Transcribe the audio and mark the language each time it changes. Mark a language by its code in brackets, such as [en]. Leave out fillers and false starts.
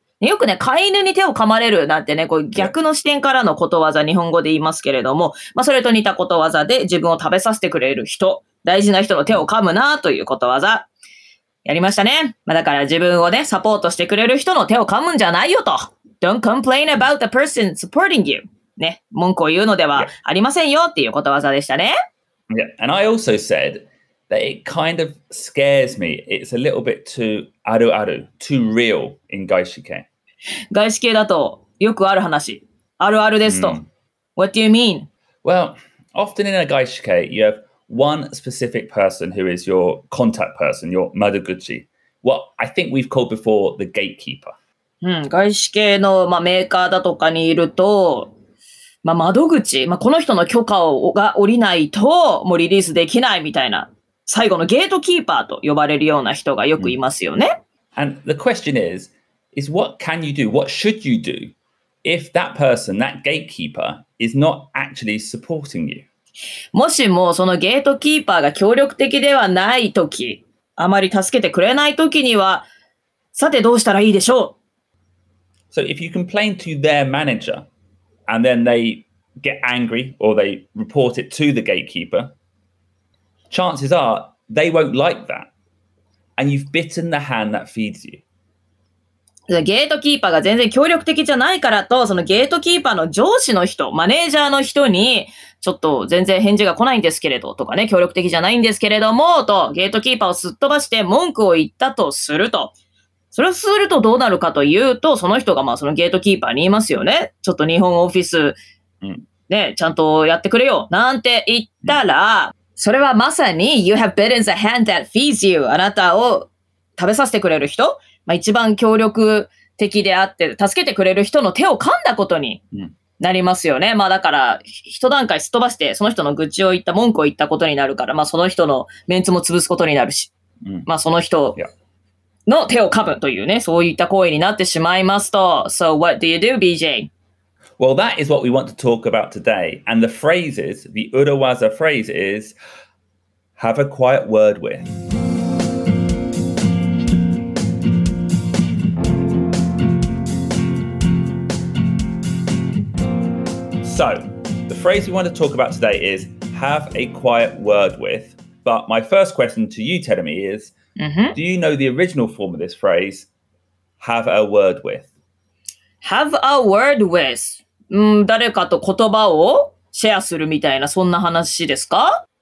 [ja] よくね、飼い犬に手を噛まれるなんてね、こう逆の視点からのことわざ、日本語で言いますけれども、まあ、それと似たことわざで、自分を食べさせてくれる人、大事な人の手を噛むなということわざ、やりましたね。まあ、だから自分をね、サポートしてくれる人の手を噛むんじゃないよと。 [en] Don't complain about the person supporting you. [ja] ね、文句を言うのではありませんよっていうことわざでしたね。 [en] Yeah. And I also said that it kind of scares me. It's a little bit too [ja] あるある、 [en] too real in 外資系。 [ja] 外資系だとよくある話、あるあるですと。 [en] What do you mean? Well, often in a 外資系, you have one specific person who is your contact person, your 窓口. What I think we've called before the gatekeeper. [ja] 外資系の、まあ、メーカーだとかにいると、まあ、窓口、まあ、この人の許可をが下りないと、もうリリースできないみたいな、最後のゲートキーパーと呼ばれるような人がよくいますよね。 [en] And the question is,is what can you do, what should you do if that person, that gatekeeper, is not actually supporting you? [ja] もしもそのゲートキーパーが協力的ではないとき、あまり助けてくれないときには、さてどうしたらいいでしょう? [en] So if you complain to their manager, and then they get angry, or they report it to the gatekeeper, chances are they won't like that. And you've bitten the hand that feeds you. [ja] ゲートキーパーが全然協力的じゃないからと、そのゲートキーパーの上司の人、マネージャーの人に、ちょっと全然返事が来ないんですけれど、とかね、協力的じゃないんですけれども、と、ゲートキーパーをすっ飛ばして文句を言ったとすると、それをするとどうなるかというと、その人がまあそのゲートキーパーに言いますよね。ちょっと日本オフィス、ね、ちゃんとやってくれよ、なんて言ったら、それはまさに、 [en] You have bitten the hand that feeds you. [ja] あなたを食べさせてくれる人。まあ、一番協力的であって、助けてくれる人の手を噛んだことになりますよね。まあだから、一段階すっ飛ばして、その人の愚痴を言った、文句を言ったことになるから、まあその人のメンツも潰すことになるし、まあその人の手を噛むというね、そういった行為になってしまいますと。 [en] So what do you do, BJ? Well, that is what we want to talk about today. And the phrase is, the Urawaza phrase is, have a quiet word with. So, the phrase we want to talk about today is have a quiet word with. But my first question to you, Teremi, is、do you know the original form of this phrase, have a word with? Have a word with. [ja] 誰かと言葉をシェアするみたいな、そんな話ですか?